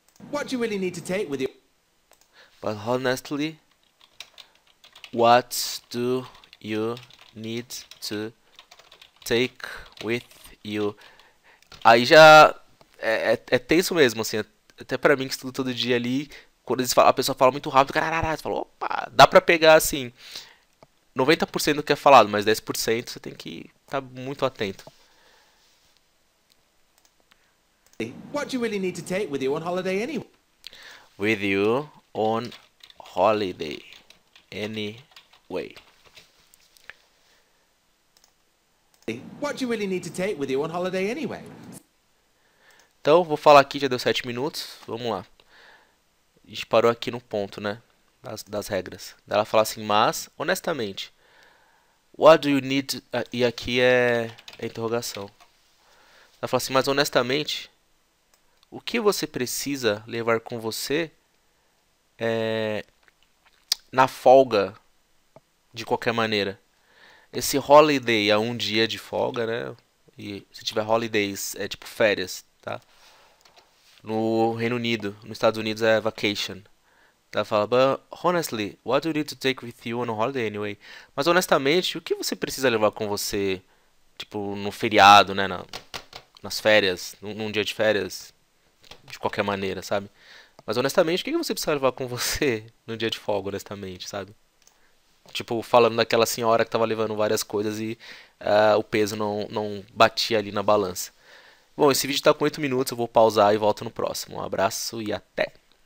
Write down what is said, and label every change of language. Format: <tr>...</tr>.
<en>What do you really need to take with you? but honestly, what do you need to take with you?</en> <pt>Aí já é tenso mesmo, assim, até pra mim que estudo todo dia ali, quando eles falam, a pessoa fala muito rápido, cararara, você fala, opa, dá pra pegar assim. 90% do que é falado, mas 10% você tem que estar muito atento.</pt> <en>What do you really need to take with you on holiday anyway? With you on holiday. Anyway. What do you really need to take with you on holiday anyway?</en> <pt>Então, vou falar aqui, já deu 7 minutos. Vamos lá. A gente parou aqui no ponto, né? Das regras. Daí ela fala assim, mas, honestamente.</pt> <en>What do you need to,</en> <pt>e aqui é interrogação. Ela fala assim, mas honestamente, o que você precisa levar com você é na folga de qualquer maneira. Esse holiday é um dia de folga, né? E se tiver holidays é tipo férias, tá? No Reino Unido, nos Estados Unidos é vacation. Ela fala,</pt> <en>but honestly, what do you need to take with you on a holiday anyway?</en> <pt>Mas honestamente, o que você precisa levar com você, tipo, no feriado, né? Nas férias, num dia de férias, de qualquer maneira, sabe? Mas honestamente, o que você precisa levar com você no dia de folga, honestamente, sabe? Tipo, falando daquela senhora que tava levando várias coisas e o peso não batia ali na balança. Bom, esse vídeo tá com 8 minutos, eu vou pausar e volto no próximo. Um abraço e até!</pt>